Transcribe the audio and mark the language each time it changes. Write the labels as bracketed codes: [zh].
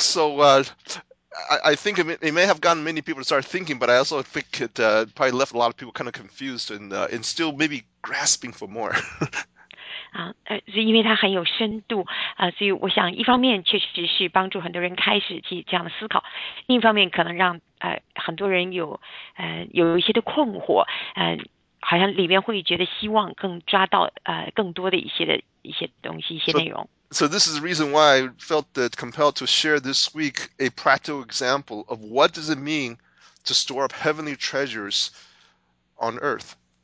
[en] so, I think it may have gotten many people to start thinking, but I also think it probably left a lot of people kind of confused and still maybe grasping for more. [zh] 所以因为它很有深度，所以我想一方面确实是帮助很多人开始去这样思考，另一方面可能让很多人有一些的困惑，好像里面会觉得希望更抓到更多的一些东西，一些内容。 [en] So this is the reason why I felt that compelled to share this week a practical example of what does it mean to store up heavenly treasures on earth.